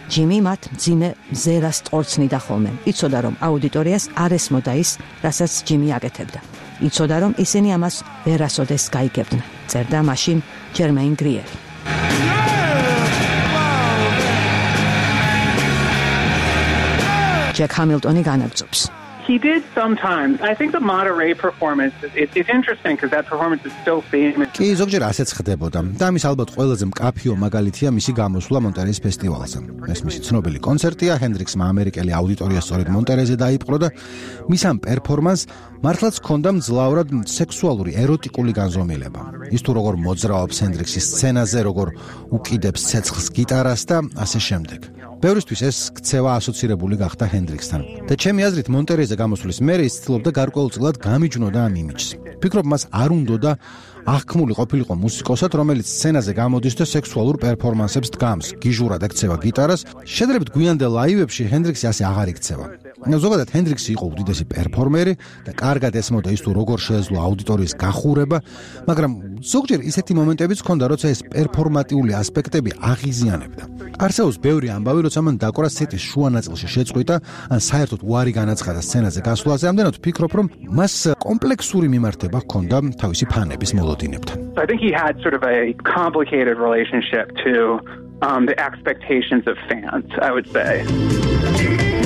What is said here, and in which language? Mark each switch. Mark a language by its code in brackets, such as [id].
[ka] ჯიმი მათ მძიმე მზერას ტორცნიდა ხოლმე. იცოდა, რომ აუდიტორიას არ ესმოდა ის, რასაც ჯიმი აკეთებდა. იცოდა, რომ ისინი ამას ვერასოდეს გაიგებდნენ. წერდა მაშინ ჯერმეინ გრიერი. Jack Hamilton განაგწობს. [en] He did sometimes. I think the Monterey performance is interesting because that performance is so famous. [ka] კი, ზოგჯერ ასეც ხდებოდა. და ამის ალბათ ყველაზე მკაფიო მაგალითია მისი გამოსვლა მონტერეის ფესტივალზე. ეს მისი ცნობილი კონცერტია, ჰენდრიქსმა ამერიკელი აუდიტორია სწორედ მონტერეზე დაიპყრო და მის ამ პერფორმანსს მართლაც ჰქონდა მძლავრად სექსუალური ეროტიკული განზომილება. ის თუ როგორ მოძრაობს ჰენდრიქსი სცენაზე, როგორ უკიდებს ცეცხლს გიტარას და ასე შემდეგ. ბევრისთვის ეს ქცევა ასოცირებული გახდა ჰენდრიქსთან. და ჩემი აზრით, მონტერეზე გამოსვლის მერე ის ცდილობდა გარკვეულწილად გამიჯნოდა ამ იმიჯს. ფიქრობ, მას არ უნდოდა აღქმული ყოფილიყო მუსიკოსად, რომელიც სცენაზე გამოდის და სექსუალურ პერფორმანსებს დგამს, გიჟურად ექცევა გიტარას. შეიძლება გვიანდელ ლაივებში ჰენდრიქსი ასე აღარ იქცევა. ზოგადად, ჰენდრიქსი იყო უდიდესი პერფორმერი და კარგად ესმოდა ის, თუ როგორ შეეძლო აუდიტორიის გახურება, მაგრამ ზოგჯერ ისეთი მომენტებიც ჰქონდა, როცა ეს პერფორმატიული ასპექტები აღიზიანებდა. არსეოს ბევრი ამბავი, როცა მან დაკვრა სეტის შუა ნაწილში შეწყვიტა, ან საერთოდ უარი განაცხადა სცენაზე გასვლაზე, ამდენად ვფიქრობ, რომ მას კომპლექსური მიმართება ჰქონდა თავისი ფანების მოლოდინებთან. [en] I think he had sort of a complicated relationship to the expectations of fans, I would say.